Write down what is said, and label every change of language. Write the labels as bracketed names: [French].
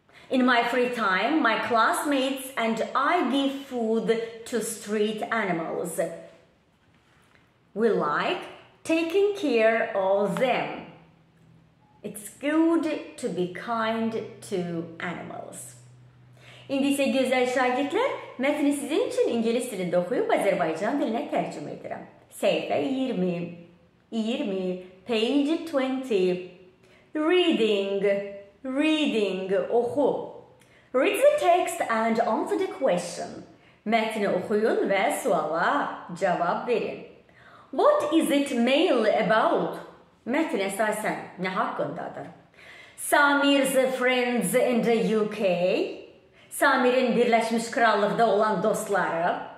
[English] In my free time, my classmates and I give food to street animals. We like taking care of them. It's good to be kind to animals. [Azerbaijani] İndi isə gözəl şagirdlər, mətni sizin üçün ingilis dilində oxuyub Azərbaycan dilinə tərcümə edirəm. Səhifə 20, [English] page 20. [Azerbaijani] Reading, oxu. [English] Read the text and answer the question. [Azerbaijani] Mətni oxuyun və suala cavab verin. [English] What is it mainly about? [Azerbaijani] Mətn əsasən nə haqqındadır? [English] Samir's friends in the UK. [Azerbaijani] Samir'in Birləşmiş Krallıqda olan dostları.